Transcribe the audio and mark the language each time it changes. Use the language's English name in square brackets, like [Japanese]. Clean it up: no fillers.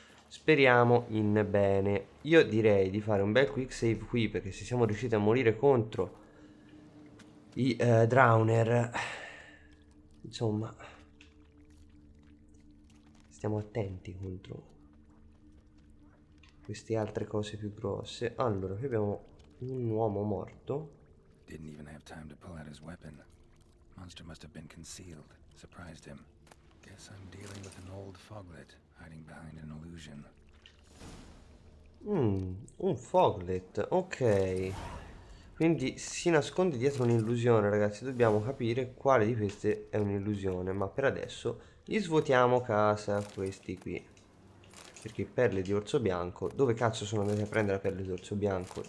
[Italian] Speriamo in bene. Io direi di fare un bel quick save qui, perché se siamo riusciti a morire contro i Drowner, insomma, stiamo attenti contro queste altre cose più grosse. Allora, qui abbiamo un uomo morto. [English] Didn't even have time to pull out his weapon. Monster must have been concealed. Surprised him. Guess I'm dealing with an old foglet hiding behind an illusion. [Italian] Un foglet, ok. Quindi si nasconde dietro un'illusione, ragazzi. Dobbiamo capire quale di queste è un'illusione. Ma per adesso gli svuotiamo casa questi qui. Perché perle di orso bianco. Dove cazzo sono andati a prendere la perle di orso bianco?